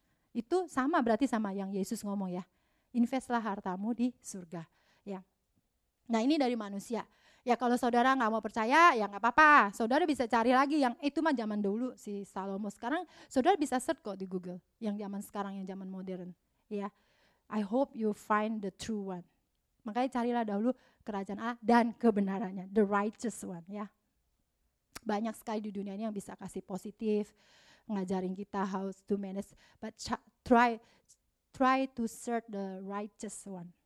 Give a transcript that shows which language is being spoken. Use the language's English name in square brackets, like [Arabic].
[Indonesian] Itu sama berarti sama yang Yesus ngomong ya. Investlah hartamu di surga. Ya. Nah ini dari manusia. Ya kalau saudara nggak mau percaya, ya nggak apa-apa. Saudara bisa cari lagi yang itu mah zaman dulu si Salomo. Sekarang saudara bisa search kok di Google yang zaman sekarang, yang zaman modern. [English] Ya, I hope you find the true one. [Indonesian] Makanya carilah dahulu kerajaan Allah dan kebenarannya, [English] the righteous one. [Indonesian] Ya, banyak sekali di dunia ini yang bisa kasih positif, ngajarin kita [English] how to manage. But try to search the righteous one.